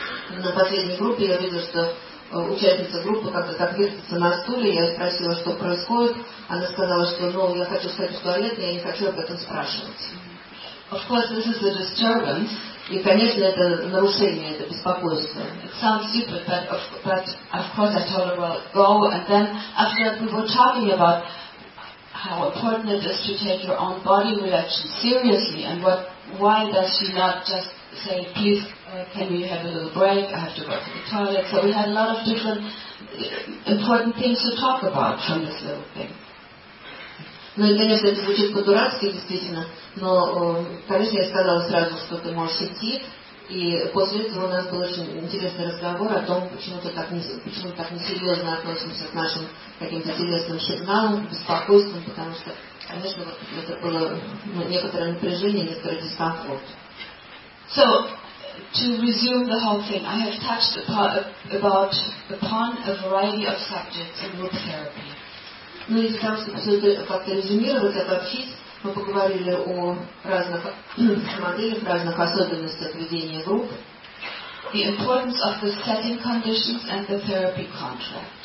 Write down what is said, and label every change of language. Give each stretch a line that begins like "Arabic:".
Russian: На последней группе я видела, что участница группы как-то отвернулась на стуле, я спросила, что происходит, она сказала, что, я хочу сходить в туалет, я не хочу об этом спрашивать.
English: Of course, this is a disturbance.
Russian: И, конечно, это нарушение, это беспокойство.
English: It sounds stupid, but of course I told her, well, go. And then after we were talking about how important it is to take your own body reaction seriously, and what, why does she not just say, please, can we have a little break? I have to go to the toilet. So we had a lot of different important things to talk about from this little thing.
Russian: Ну и, конечно, это звучит по-дурацки, действительно, но, конечно, я сказала сразу, что ты можешь идти, и после этого у нас был очень интересный разговор о том, почему мы так несерьезно относимся к нашим каким-то телесным сигналам, беспокойствам, потому что, конечно, вот это было некоторое напряжение, некоторый дискомфорт.
English: So, to resume the whole thing, I have touched upon a variety of subjects in group therapy.
Russian: Ну и там, чтобы как-то резюмировать, обобщить, мы поговорили о разных моделях, разных особенностях ведения групп.
English: The importance of the setting conditions and the therapy contract.